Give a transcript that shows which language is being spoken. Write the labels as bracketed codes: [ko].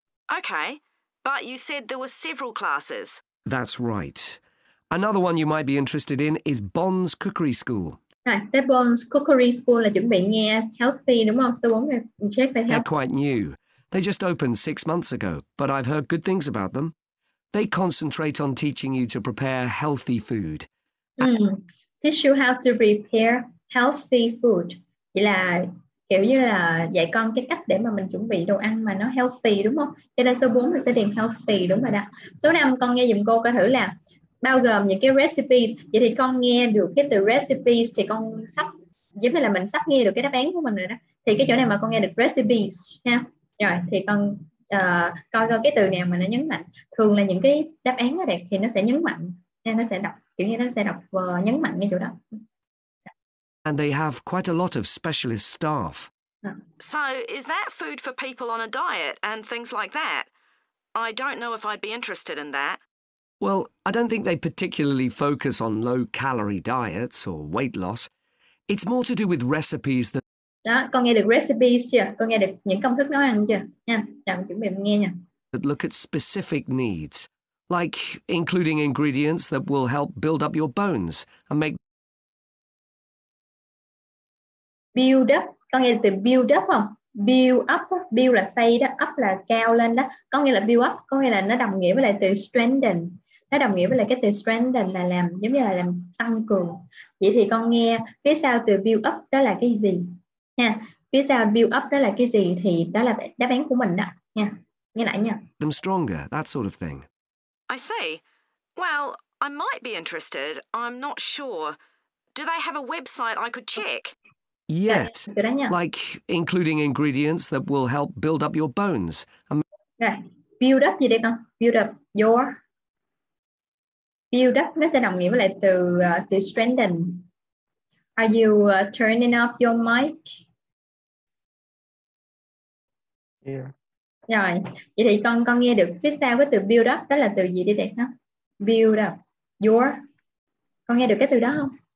[en] Okay, but you said there were several classes. That's right. Another one you might be interested in is Bond's Cookery School. [vi] Rồi, the Bond's Cookery School là chuẩn bị nghe healthy đúng không? Số 4 là [en] check the health. They're quite new. They just opened 6 months ago, but I've heard good things about them. They concentrate on teaching you to prepare healthy food. Teach you how to prepare healthy food. [vi] Chỉ là kiểu như là dạy con cái cách để mà mình chuẩn bị đồ ăn mà nó healthy đúng không? Cho nên số 4 mình sẽ điền healthy đúng rồi đó. Số 5 con nghe dùm cô coi thử là bao gồm những cái recipes. Vậy thì con nghe được cái từ recipes thì con sắp, giống như là mình sắp nghe được cái đáp án của mình rồi đó. Thì cái chỗ này mà con nghe được recipes nha. Rồi thì con coi cái từ nào mà nó nhấn mạnh. Thường là những cái đáp án đó thì nó sẽ nhấn mạnh, nên nó sẽ đọc kiểu như nó sẽ đọc nhấn mạnh cái chỗ đó. [en] And they have quite a lot of specialist staff. So is that food for people on a diet and things like that? I don't know if I'd be interested in that. Well, I don't think they particularly focus on low calorie diets or weight loss. It's more to do with recipes than. [vi] Đó, con nghe được recipes chưa? Con nghe được những công thức nấu ăn chưa? Nha, chào chuẩn bị nghe nha. [en] But look at specific needs, like including ingredients that will help build up your bones and make. [vi] Build up, con nghe được từ build up không? Build up, build là xây đó, up là cao lên đó. Con nghe là build up, con nghe là nó đồng nghĩa với lại từ strengthen. Nó đồng nghĩa với lại cái từ strengthen là làm, giống như là làm tăng cường. Vậy thì con nghe phía sau từ build up đó là cái gì? Nha. Phía sau build up đó là cái gì thì đó là đáp án của mình đó nha. Nghe lại nha. [en] Them stronger, that sort of thing. I see. Well, I might be interested. I'm not sure. Do they have a website I could check? Yes. Like including ingredients that will help build up your bones. [vi] Yeah. Build up gì đây con? [en] Build up your. [vi] Build up nó sẽ đồng nghĩa với lại từ từ strengthen. [en] Are you turning off your mic? Yeah. [vi] Rồi, vậy thì con nghe được phía sau cái từ build up đó là từ gì đi đẹp hả? [en] Build up. Your. [vi] Con nghe được cái từ đó không?